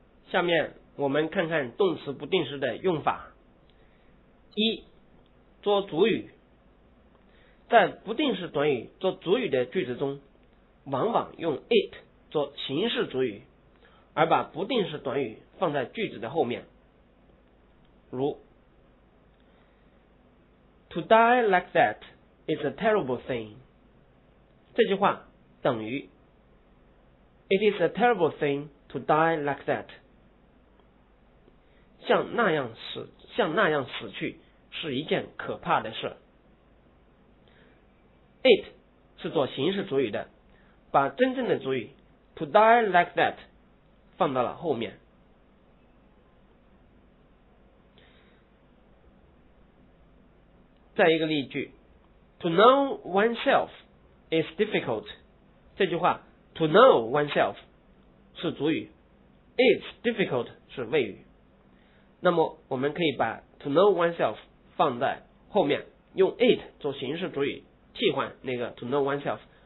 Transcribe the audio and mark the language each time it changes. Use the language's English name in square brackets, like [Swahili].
[Chinese] 下面我们看看动词不定式的用法。一，做主语。在不定式短语做主语的句子中，往往用 it 做形式主语，而把不定式短语放在句子的后面。如 [English] To die like that is a terrible thing， [Chinese] 这句话等于 [English] It is a terrible thing to die like that， [Chinese] 像那样死去是一件可怕的事。 It 是做形式主语的，把真正的主语 [English] To die like that [Chinese] 放到了后面。再一个例句， [English] To know oneself is difficult， [Chinese] 这句话 To know oneself 是主语， [English] It's difficult [Chinese] 是谓语，那么我们可以把 to know oneself 放在后面，用 it 做形式主语替换那个 to know oneself，